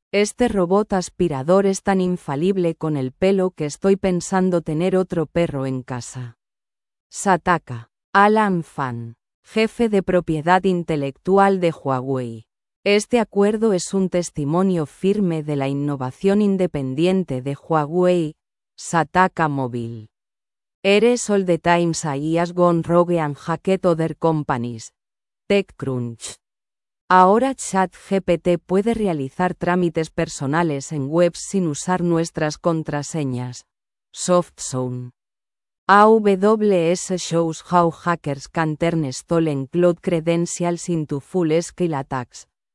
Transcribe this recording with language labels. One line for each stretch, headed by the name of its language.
Spanish: Este robot aspirador es tan infalible con el pelo que estoy pensando tener otro perro en casa. Sataka. Alan Fan. Jefe de propiedad intelectual de Huawei. Este acuerdo es un testimonio firme de la innovación independiente de Huawei, Sataka Mobile.
English: Eres all the times I has gone rogue and hacked other companies. TechCrunch.
Spanish: Ahora ChatGPT puede realizar trámites personales en webs sin usar nuestras contraseñas.
English: SoftZone. AWS shows how hackers can turn stolen cloud credentials into full-scale attacks.